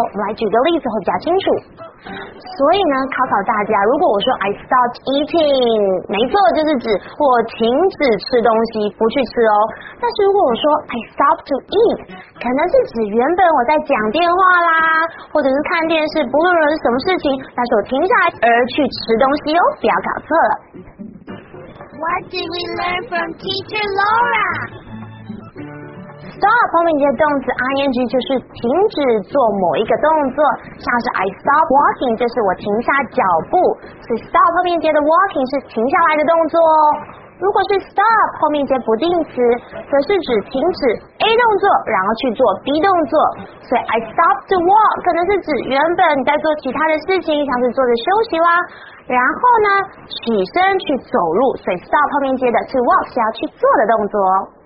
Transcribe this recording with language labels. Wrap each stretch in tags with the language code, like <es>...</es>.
<zh>我们来举个例子会比较清楚。所以呢，考考大家，如果我说</zh> <en>I stopped eating，</en> <zh>没错，就是指我停止吃东西，不去吃哦。但是如果我说</zh> <en>I stopped to eat，</en> <zh>可能是指原本我在讲电话啦，或者是看电视，不论是什么事情，但是我停下来而去吃东西哦，不要搞错了。</zh> <en>What did we learn from Teacher Laura？</en> <zh>Stop 后面接动词 ing 就是停止做某一个动作，像是</zh> <en>I stop walking</en> <zh>就是我停下脚步，是 stop 后面接的 walking 是停下来的动作哦。如果是 stop 后面接不定词，则是指停止 A 动作然后去做 B 动作，所以</zh> <en>I stopped to walk</en> <zh>可能是指原本你在做其他的事情，像是坐着休息啦，然后呢起身去走路，所以 stop 后面接的是 walk 是要去做的动作哦。</zh>